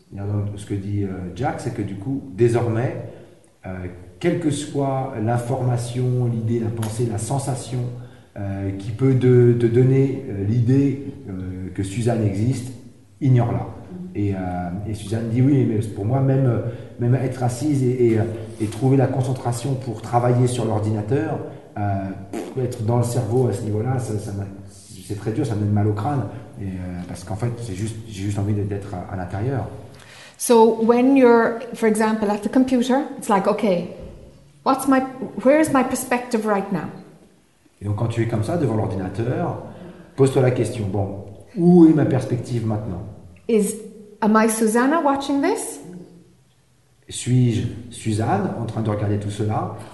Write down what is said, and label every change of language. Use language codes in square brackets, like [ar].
[fr] Et donc, ce que dit Jack, c'est que du coup, désormais, quelle que soit l'information, l'idée, la pensée, la sensation qui peut te donner l'idée que Suzanne existe, ignore-la. Et Suzanne dit oui, mais pour moi, même, même être assise et trouver la concentration pour travailler sur l'ordinateur, être dans le cerveau à ce niveau-là, c'est très dur, ça me donne mal au crâne, parce qu'en fait, j'ai juste envie d'être à l'intérieur. [en] So when you're, for example, at the computer, it's like, okay, where is my perspective right now? [fr] Et donc quand tu es comme ça devant l'ordinateur, pose-toi la question, bon, où est ma perspective maintenant? [en] Am I Susanna watching this? [fr] Suis-je Suzanne en train de regarder tout cela?